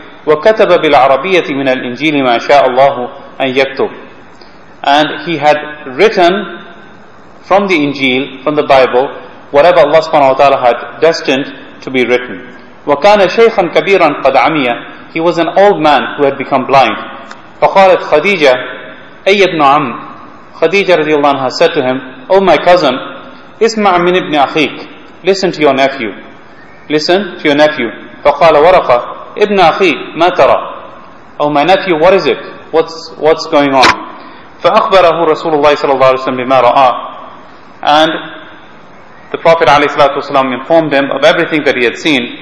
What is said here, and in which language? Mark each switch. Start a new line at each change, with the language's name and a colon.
Arabic: وَكَتَبَ بِالْعَرَبِيَّةِ مِنَ الْإِنْجِيلِ مَا شَاءَ اللَّهُ أَنْ يَكْتُبُ
English: And he had written from the Injil, from the Bible, whatever Allah subhanahu wa ta'ala had destined to be written.
Arabic: وَكَانَ شَيْخًا كَبِيرًا قَدْ عَمِيًا
English: He was an old man who had become blind.
Arabic: فَقَالَتْ خَدِيجَةَ أَيَّ ابْنُ عَمْ خَدِيجَةَ رضي الله عنها
English: said to him, Oh my cousin,
Arabic: اسمع من ابن أخيك
English: Listen to your nephew. Listen to your nephew.
Arabic: فَقَالَ وَرَقَ ابْنَ أَخِي مَا تَرَى
English: Oh my nephew, what is it? What's going on?
Arabic: فَأَخْبَرَهُ رَسُولُ اللَّهِ صَلَى اللَّهُ عَلَيْهِ وَسَلَّمَ بِمَا رَآ
English: And the Prophet ﷺ informed him of everything that he had seen.